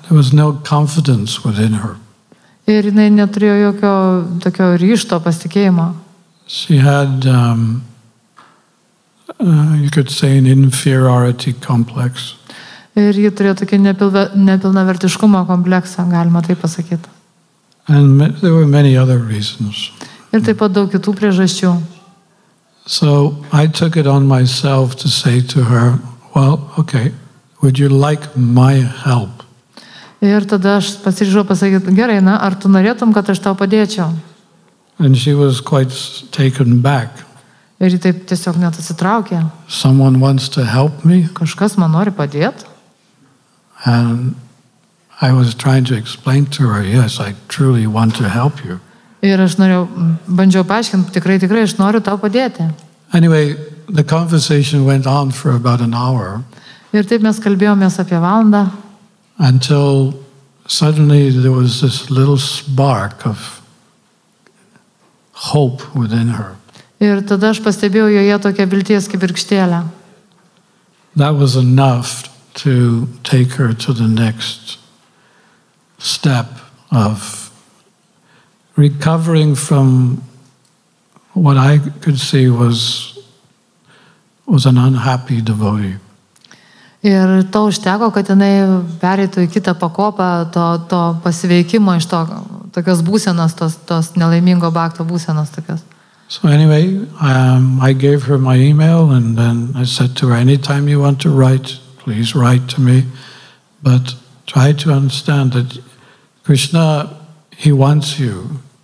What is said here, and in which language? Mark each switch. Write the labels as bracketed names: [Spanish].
[English] There was no confidence within her. [Lithuanian] Ir jinai neturėjo jokio tokio ryšto pasitikėjimo. [English] She had, you could say, an inferiority complex. [Lithuanian] Ir ji turėjo tokį nepilnavertiškumo kompleksą, galima taip pasakyti. [English] And there were many other reasons. [Lithuanian] Ir taip pat daug kitų priežasčių. [English] So I took it on myself to say to her, well, okay, would you like my help? [Lithuanian] Ir tada aš pasiryžau pasakyti, gerai, na, ar tu norėtum, kad aš tau padėčiau? [English] And she was quite taken back. [Lithuanian] Ir ji taip tiesiog net atsitraukė. [English] Someone wants to help me? [Lithuanian] Kažkas man nori padėti. [English] And I was trying to explain to her, yes, I truly want to help you. [Lithuanian] Ir aš norėjau, bandžiau paaiškinti, tikrai, aš noriu tau padėti. [English] Anyway, the conversation went on for about an hour. [Lithuanian] Ir taip mes kalbėjomės apie valandą. [English] Until suddenly there was this little spark of hope within her. [Lithuanian] Ir tada aš pastebėjau joje tokią vilties kibirkštėlę. [English] That was enough to take her to the next step of recovering from what I could see was an unhappy devotee. [Lithuanian] Ir to užteko, kad jinai pereitų į kitą pakopą to pasiveikimo iš to tokios būsenos, tos nelaimingo bakto būsenos tokios. [English] So anyway, I gave her my email and then I said to her, anytime you want to write, please write to me. But try to understand that Krishna, he wants you.